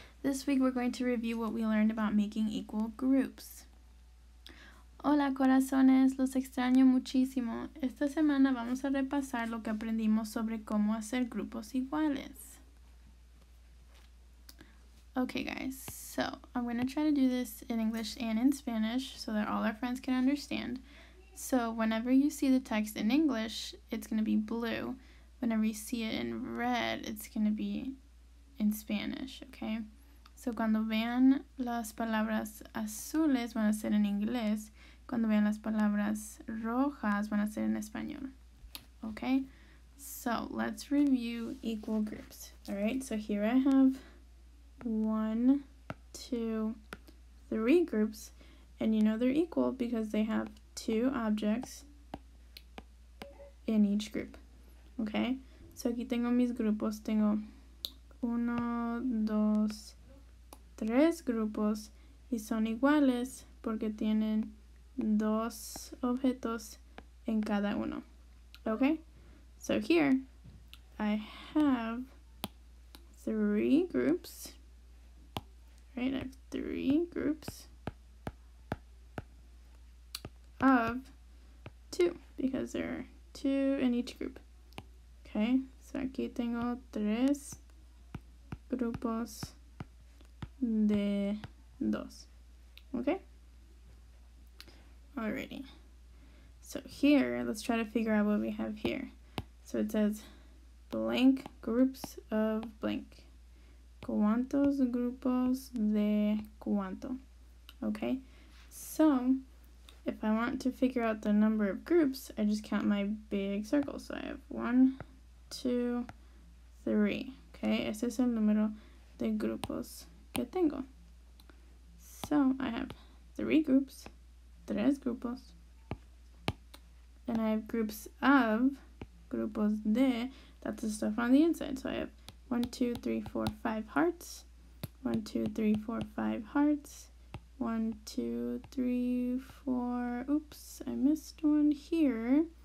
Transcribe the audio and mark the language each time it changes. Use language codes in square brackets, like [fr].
[en] This week we're going to review what we learned about making equal groups. [es] Hola corazones, los extraño muchísimo. Esta semana vamos a repasar lo que aprendimos sobre cómo hacer grupos iguales. [en] Okay guys, so I'm going to try to do this in English and in Spanish so that all our friends can understand. So whenever you see the text in English, it's going to be blue. Whenever you see it in red, it's going to be in Spanish, okay? [es] So, cuando vean las palabras azules, van a ser en inglés. Cuando vean las palabras rojas, van a ser en español, okay? [en] So, let's review equal groups, all right? So, here I have 1, 2, 3 groups, and you know they're equal because they have 2 objects in each group. [es] Okay, so aquí tengo mis grupos, tengo 1, 2, 3 grupos y son iguales porque tienen 2 objetos en cada uno. [en] Okay, so here I have 3 groups, right, I have 3 groups of 2 because there are 2 in each group. [es] Okay, so aquí tengo 3 grupos de 2. Okay? Alrighty. [en] So here, let's try to figure out what we have here. So it says blank groups of blank. [es] ¿Cuántos grupos de cuánto? Okay? [en] So, if I want to figure out the number of groups, I just count my big circles. So I have 1, 2, 3. [es] Okay, ese es el número de grupos que tengo. [en] So, I have 3 groups, [es] 3 grupos, [en] and I have groups of, [es] grupos de, [en] that's the stuff on the inside. So, I have 1, 2, 3, 4, 5 hearts, 1, 2, 3, 4, 5 hearts, 1, 2, 3, 4, oops, I missed one here.